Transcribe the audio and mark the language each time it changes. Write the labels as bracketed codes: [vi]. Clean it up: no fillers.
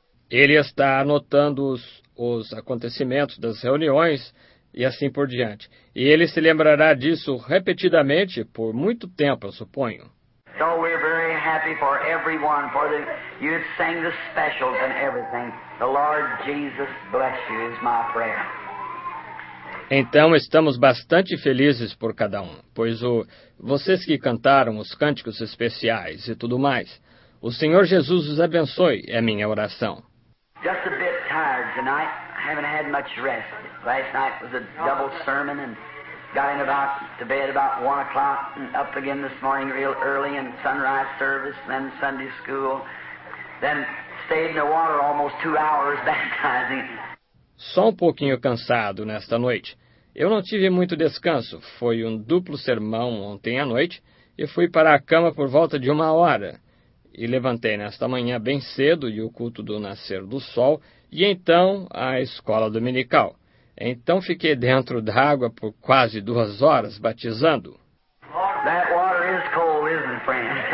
[pt] Ele está anotando os acontecimentos das reuniões e assim por diante. E ele se lembrará disso repetidamente por muito tempo, eu suponho. [en] So we're very happy for everyone, for the you sang the specials and everything. The Lord Jesus bless you is my prayer. [pt] Então estamos bastante felizes por cada um, pois o vocês que cantaram os cânticos especiais e tudo mais. O Senhor Jesus os abençoe, é minha oração. [en] Just a bit tired tonight. I haven't had much rest. Last night was a double sermon and got in about to bed about 1 o'clock and up again this morning real early in sunrise service, then Sunday school, then stayed in the water almost 2 hours baptizing. [pt] Só um pouquinho cansado nesta noite. Eu não tive muito descanso. Foi um duplo sermão ontem à noite e fui para a cama por volta de 1 hora. E levantei nesta manhã bem cedo e o culto do nascer do sol e então a escola dominical. Então fiquei dentro da água por quase 2 horas, batizando. [en] That water is cold, isn't it, friend?